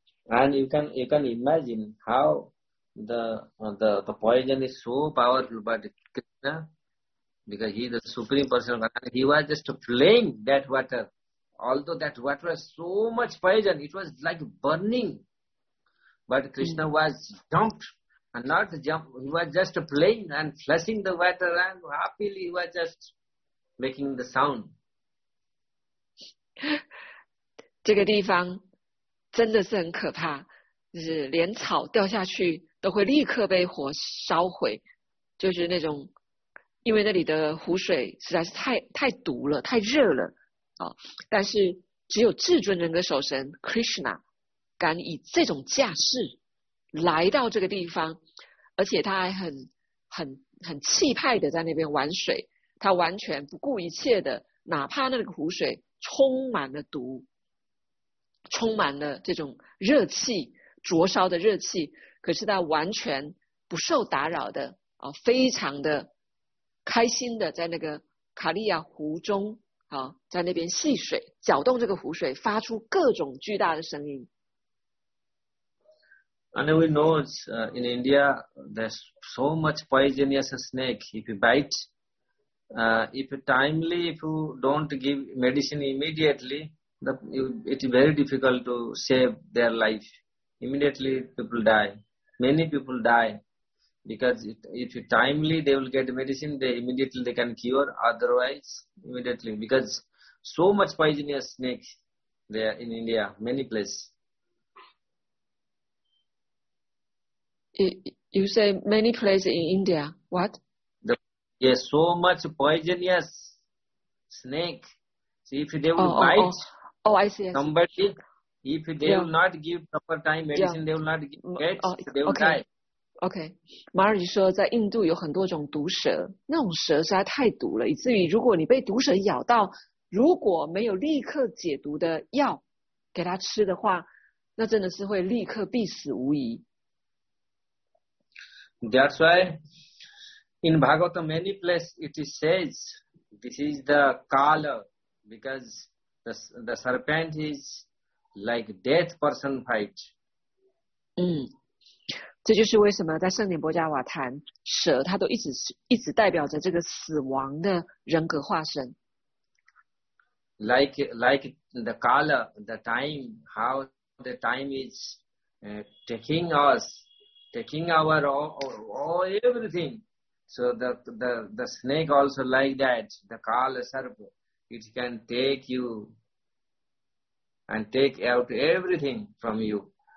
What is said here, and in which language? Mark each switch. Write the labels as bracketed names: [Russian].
[English] And you can imagine how the poison is so powerful, but Krishna, because he is the supreme person, he was just playing that water. Although that water was so much poison, it was like burning. But Krishna was jumped and not jumped. He was just playing and flushing the water and happily he was just making the sound. [Chinese] 这个地方真的是很可怕，就是连草掉下去都会立刻被火烧毁，就是那种因为那里的湖水实在是太毒了，太热了，但是只有至尊人格守神 Krishna敢以这种架势来到这个地方，而且他还很气派的在那边玩水，他完全不顾一切的，哪怕那个湖水充满了毒，充满了这种热气，灼烧的热气，可是他完全不受打扰的，非常的开心的在那个卡利亚湖中，在那边戏水，搅动这个湖水，发出各种巨大的声音。 [English] And we know in India there's so much poisonous snake. If you bite, if you don't give medicine immediately, it's very difficult to save their life. Immediately people die. Many people die because if timely they will get medicine, they immediately can cure. Otherwise, immediately because so much poisonous snake there in India, many places. You say many places in India. What? Yes, so much poisonous snake. See, if they will bite, somebody, if they will not give proper time medicine, they will not get, they will die. Okay. [Chinese] Maharaj 说在印度有很多种毒蛇，那种蛇实在太毒了，以至于如果你被毒蛇咬到，如果没有立刻解毒的药给它吃的话，那真的是会立刻必死无疑。 [English] That's why in Bhagavata many places it is says this is the Kala because the serpent is like death person fight. [Chinese] 这就是为什么在圣殿伯加瓦坛，蛇它都一直代表着这个死亡的人格化身。 [English] Like the color, the time, how the time is taking us, taking our all everything. So the snake also like that, the kala sarpa, it can take you and take out everything from you.